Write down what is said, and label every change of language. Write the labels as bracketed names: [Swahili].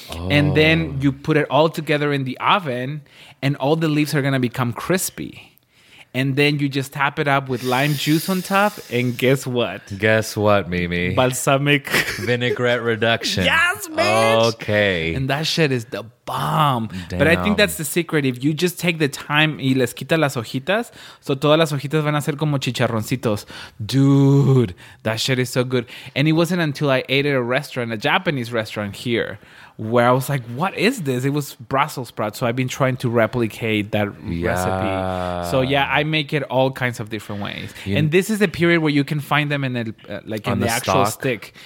[English] And then you put it all together in the oven, and all the leaves are going to become crispy. And then you just tap it up with lime juice on top. And guess what? Guess what, Mimi? Balsamic vinaigrette reduction. Yes, bitch! Okay. And that shit is the bomb. Damn. But I think that's the secret. If you just take the time [Spanish] y les quita las hojitas, so todas las hojitas van a ser como chicharroncitos. [English] Dude, that shit is so good. And it wasn't until I ate at a restaurant, a Japanese restaurant here, where I was like, what is this? It was Brussels sprouts. So I've been trying to replicate that recipe. So yeah, I make it all kinds of different ways. And this is the period where you can find them in the actual stock.